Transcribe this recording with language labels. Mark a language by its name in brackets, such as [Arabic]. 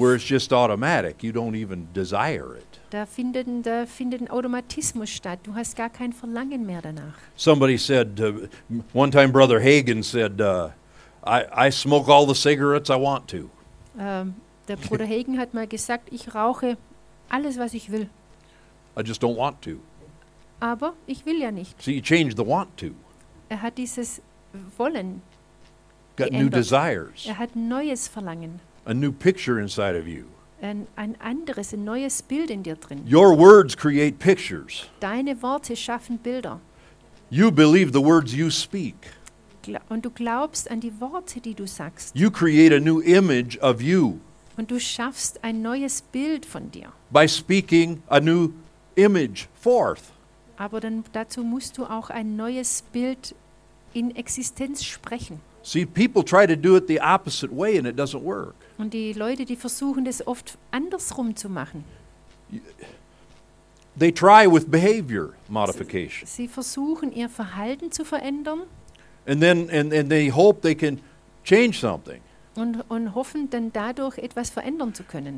[English] Where it's just automatic, you don't even desire it. [German] Da findet ein Automatismus statt. Du hast gar kein Verlangen mehr danach. [English] Somebody said, one time Brother Hagen said, I smoke all the cigarettes I want to. [German] Der Bruder Hagen hat mal gesagt, ich rauche alles, was ich will. [English] I just don't want to. [German] Aber ich will ja nicht. [English] So you change the want to. [German] Er hat dieses Wollen [English] got new desires. [German] Er hat neues Verlangen. [English] A new picture inside of you. [German] Ein anderes, ein neues Bild in dir drin. [English] Your words create pictures. [German] Deine Worte schaffen Bilder. [English] You believe the words you speak. [German] Und du glaubst an die Worte, die du sagst. [English] You create a new image of you. [German] Und du schaffst ein neues Bild von dir. [English] By speaking a new image forth. [German] Aber dann dazu musst du auch ein neues Bild in Existenz sprechen. [English] See, people try to do it the opposite way and it doesn't work. [German] Und die Leute, die versuchen das oft andersrum zu machen. [English] They try with behavior modification. [German] Sie versuchen ihr Verhalten zu verändern. [English] And they hope they can change something. [German] Und hoffen dann dadurch etwas verändern zu können.